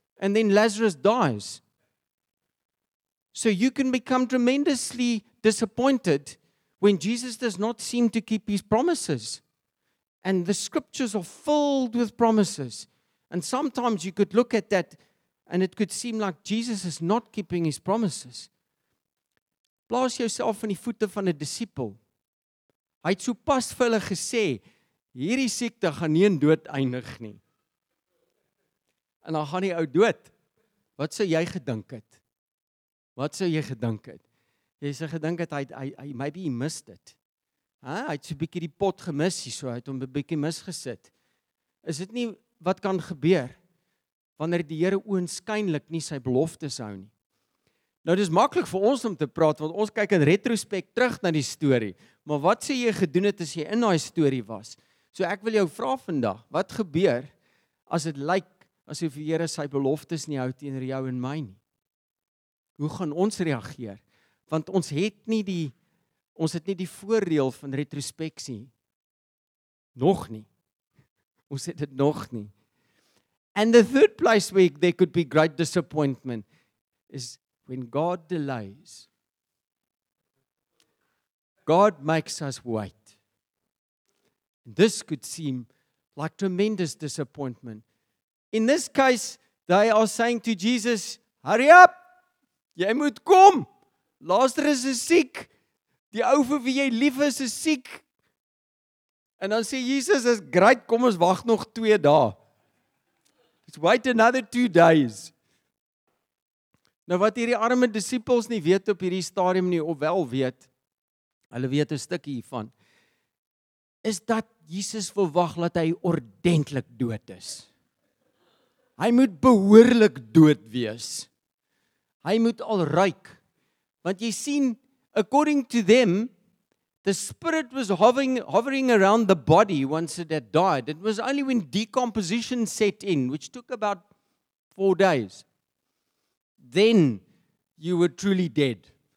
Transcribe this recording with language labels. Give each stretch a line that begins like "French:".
English: And then Lazarus dies. So you can become tremendously disappointed when Jesus does not seem to keep his promises. And the scriptures are filled with promises. And sometimes you could look at that and it could seem like Jesus is not keeping his promises.
Afrikaans: Plaas jouself in die voete van 'n disipel. Hy het sopas vir hulle gesê, hierdie siekte gaan nie in dood eindig nie. En dan gaan die ou dood. Wat sou jy gedink het? Jy sou gedink het hy
English: maybe he missed it.
Afrikaans: Hy het so 'n bietjie die pot gemis, so hy het hom 'n bietjie misgesit. Is dit nie wat kan gebeur wanneer die Here oënskynlik nie sy beloftes hou nie? Nou dis maklik vir ons om te praat want ons kyk in retrospek terug na die storie, maar wat sê jy gedoen het as jy in daai storie was? So ek wil jou vra vandag, wat gebeur as dit lyk asof die Here sy beloftes nie hou teenoor jou en my nie? Hoe gaan ons reageer? Want ons het nie die voordeel van retrospeksie. Nog nie. Ons het dit nog nie.
English: And the third place where there could be great disappointment is when God delays. God makes us wait. This could seem like tremendous disappointment. In this case, they are saying to Jesus, hurry up,
Afrikaans: jy moet kom, Lazarus is siek. Die ou vir wie jy lief is, is siek. En dan sê Jesus,
English: is great,
Afrikaans: kom ons wag nog 2 dae.
English: Let's wait another 2 days.
Afrikaans: Nou wat hierdie arme disippels nie weet op hierdie stadium nie, of wel weet, hulle weet 'n stukkie hiervan, is dat Jesus verwag dat hy ordentlik dood is. Hy moet behoorlik dood wees. Hy moet al ruik. Want jy sien,
English: according to them, the spirit was hovering around the body once it had died. It was only when decomposition set in, which took about 4 days, then you were truly dead.